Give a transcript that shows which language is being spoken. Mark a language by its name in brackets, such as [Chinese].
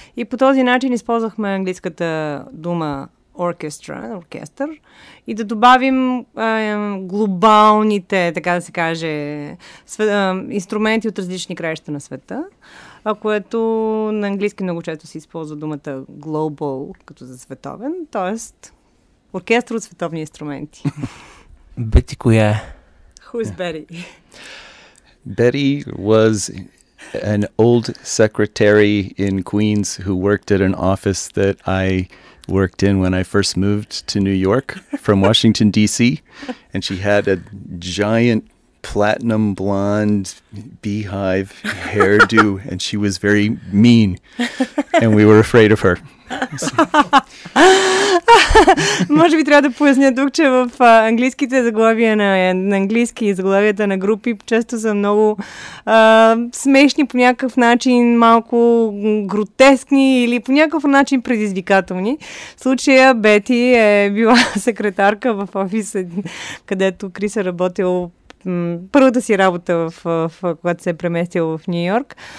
[Bulgarian] И по този начин използвахме английската дума orchestra, оркестър, и да добавим глобалните, така да се каже, инструменти от различни краища на света, което на английски много често се използва думата global, като за световен, т.е. оркестър от световни инструменти. Бети коя е? [English] Who is Betty? Betty was an old secretary in Queens who worked at an office that I worked in when I first moved to New York from Washington, D.C. And she had a giant platinum blonde beehive hairdo and she was very mean and we were afraid of her. [Bulgarian] Може би трябва да поясня тук, че в английските заглавия на английски и заглавията на групи често са много смешни по някакъв начин, малко гротескни или по някакъв начин предизвикателни. В случая Бети е била секретарка в офиса, където Крис е работил първата си работа, когато се е преместил в Нью-Йорк.